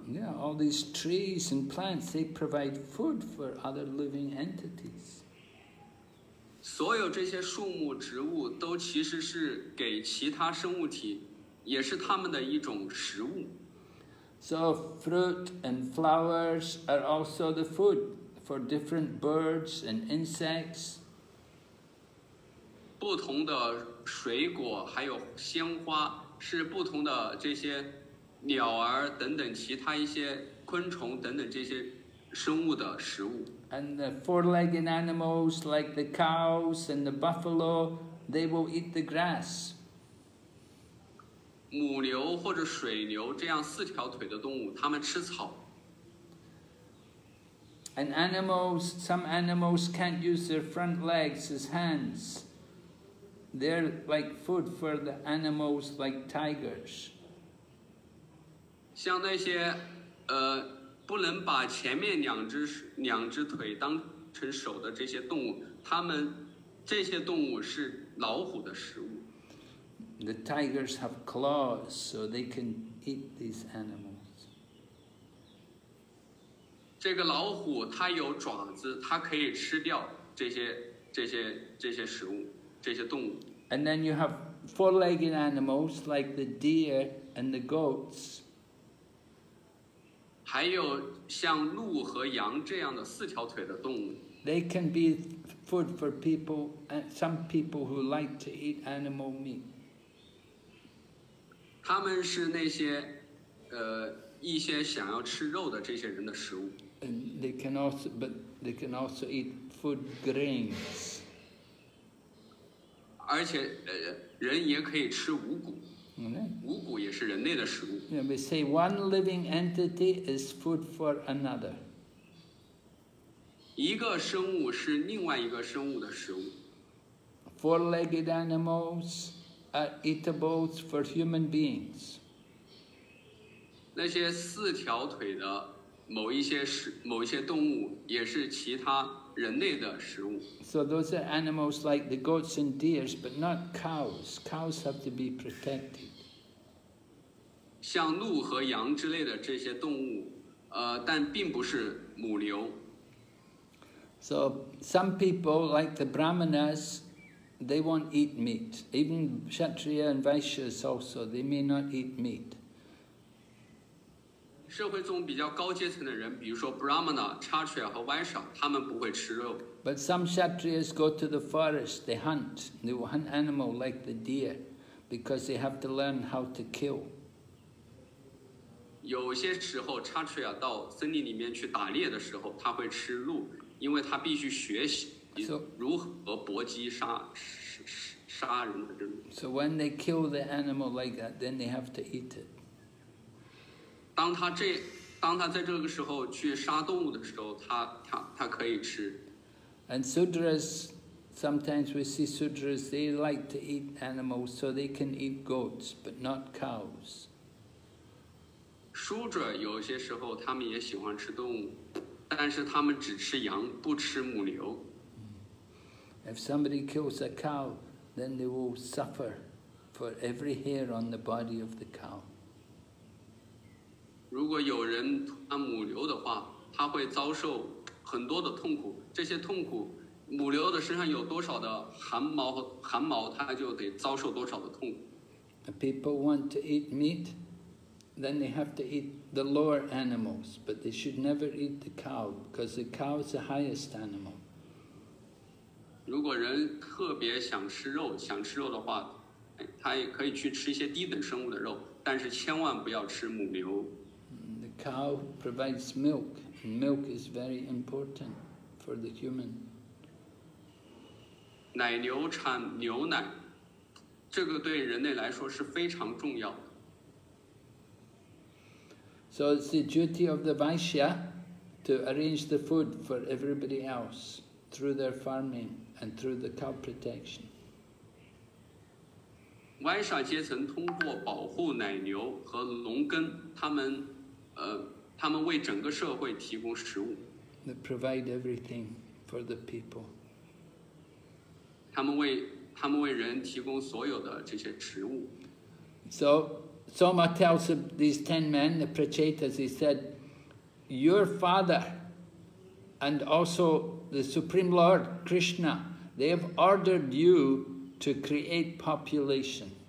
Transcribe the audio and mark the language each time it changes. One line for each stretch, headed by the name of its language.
English: Yeah, all these trees and plants, they provide food for other living entities.
Chinese: 所有这些树木、植物都其实是给其他生物体，也是他们的一种食物。
English: So fruit and flowers are also the food for different birds and insects.
Chinese: 不同的水果还有鲜花是不同的这些鸟儿等等其他一些昆虫等等这些生物的食物。
English: And the four-legged animals like the cows and the buffalo, they will eat the grass.
Chinese: 母牛或者水牛这样四条腿的动物，它们吃草。
English: And animals, some animals can't use their front legs as hands. They're like food for the animals like tigers.
Chinese: 像那些不能把前面两只腿当成手的这些动物，它们这些动物是老虎的食物。
English: The tigers have claws, so they can eat these animals.
Chinese: 这个老虎它有爪子，它可以吃掉这些食物，这些动物。
English: And then you have four-legged animals like the deer and the goats.
Chinese: 还有像鹿和羊这样的四条腿的动物。
English: They can be food for people, some people who like to eat animal meat.
Chinese: 他们是那些一些想要吃肉的这些人的食物。
English: And they can also, but they can also eat food grains.
Chinese: 而且人也可以吃五谷。 Mm-hmm. 五谷也是人类的食物。
English: Yeah, we say one living entity is food for another.
Chinese: 一个生物是另外一个生物的食物。
English: Four-legged animals are eatables for human beings.
Chinese: 那些四条腿的某一些动物也是其他人类的食物。
English: So those are animals like the goats and deers, but not cows. Cows have to be protected.
Chinese: 像鹿和羊之类的这些动物，但并不是母牛。
English: So some people like the Brahmanas, they won't eat meat. Even Kshatriya and Vaishyas also, they may not eat meat.
Chinese: 社会中比较高阶层的人，比如说 Brahmana、Kshatriya 和 Vaishya， 他们不会吃肉。
English: But some Kshatriyas go to the forest. They hunt. They will hunt animal like the deer, because they have to learn how to kill.
Chinese: 有些时候 ，Kshatriya 到森林里面去打猎的时候，他会吃鹿，因为他必须学习如何搏击杀人的这种。
English: So when they kill the animal like that, then they have to eat it.
Chinese: 当他在这个时候去杀动物的时候，他可以吃。
English: And Sudras, sometimes we see Sudras, they like to eat animals, so they can eat goats, but not cows.
Chinese: Sudra 有些时候他们也喜欢吃动物，但是他们只吃羊，不吃母牛。
English: If somebody kills a cow, then they will suffer for every hair on the body of the cow.
Chinese: 如果有人吞母牛的话，他会遭受很多的痛苦。这些痛苦，母牛的身上有多少的汗毛，他就得遭受多少的痛苦。
English: The people want to eat meat, then they have to eat the lower animals, but they should never eat the cow, because the cow is the highest animal.
Chinese: 如果人特别想吃肉的话，他也可以去吃一些低等生物的肉，但是千万不要吃母牛。
English: The cow provides milk, and milk is very important for the human.
Chinese: 奶牛产牛奶，这个对人类来说是非常重要的。
English: So it's the duty of the Vaishya to arrange the food for everybody else through their farming and through the cow protection.
Chinese: Vaishya 阶层通过保护奶牛和农耕，他们为整个社会提供食物。
English: They provide everything for the people.
Chinese: 他们为人提供所有的这些食物。
English: So Soma tells these 10 men, the Prachetas, he said, your father and also the Supreme Lord Krishna, they have ordered you to create population.